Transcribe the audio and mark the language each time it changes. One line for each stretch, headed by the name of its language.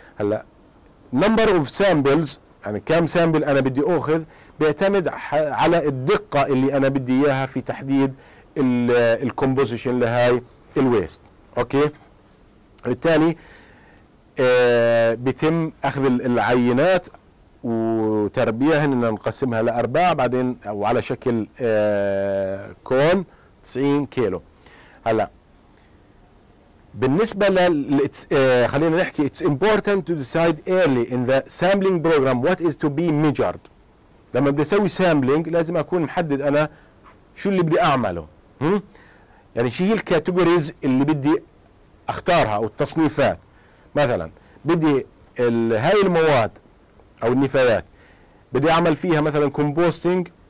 Arabic: هلا
English: number of samples
Arabic: يعني كم سامبل انا بدي اخذ بيعتمد على الدقه اللي انا بدي اياها في تحديد الكومبوزيشن لهاي الويست اوكي. بالتالي بيتم اخذ العينات وتربيها ان نقسمها لارباع بعدين او على شكل كون 90 كيلو. هلا بالنسبه خلينا نحكي
English: it's important to decide early in the sampling program what is to be measured.
Arabic: لما بدي اسوي sampling لازم اكون محدد انا شو اللي بدي اعمله يعني شو هي الكاتيجوريز اللي بدي اختارها او التصنيفات. مثلا بدي هاي المواد او النفايات بدي اعمل فيها مثلا كومبوستينج.